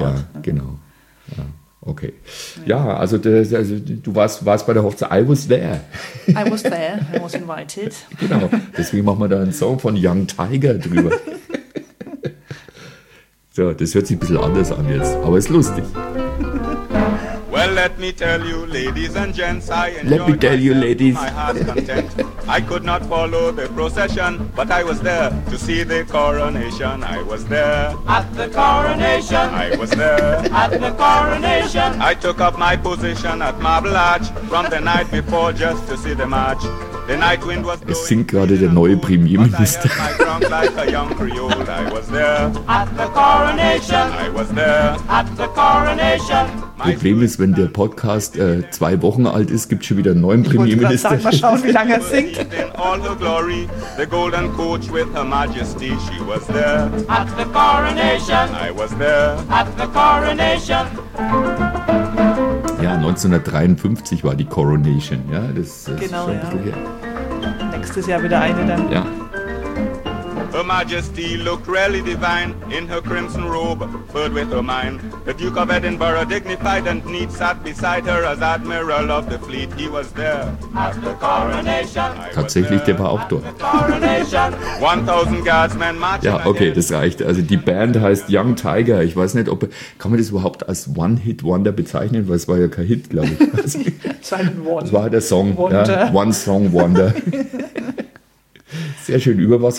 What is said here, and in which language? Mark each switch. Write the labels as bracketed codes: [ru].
[de] Ja, ne? Genau. Ja. Okay. Ja, also, das, also du warst bei der Hochzeit. [en] I was there. I was there. I was invited. [de] Genau. Deswegen machen wir da einen Song von Young Tiger drüber. So, das hört sich ein bisschen anders an jetzt, aber ist lustig. [en] Well, let me tell you, ladies and gents, I enjoyed let me tell you, ladies. My heart's content. I could not follow the procession, but I was there to see the coronation. I was there at the coronation. I was there at the coronation. I took up my position at Marble Arch from the night before just to see the march. The night wind was blowing. [de] Es singt gerade der neue Premierminister. [en] I heard my drum like a young Creole. I was there at the coronation. I was there at the coronation. [de] Problem ist, wenn der Podcast 2 Wochen alt ist, gibt es schon wieder einen neuen Premierminister. Ich wollte gerade sagen, mal schauen, wie lange er singt. [en] In all the glory, the golden coach with her majesty, she was there at the coronation. I was there at the coronation. [de] Ja, 1953 war die Coronation, ja, das genau, ist schon ja. Nächstes Jahr wieder eine dann. Ja. [en] Her Majesty looked really divine in her crimson robe, furred with her mind. The Duke of Edinburgh, dignified and neat, sat beside her as Admiral of the fleet. He was there at the coronation. [de] Tatsächlich, der war auch dort. [en] 1000 Guardsmen marching. [de] Ja, okay, das reicht. Also die Band heißt Young Tiger. Ich weiß nicht, ob kann man das überhaupt als One Hit Wonder bezeichnen, weil es war ja kein Hit, glaube ich. Es war der Song, ja, One Song Wonder. Sehr schön, über was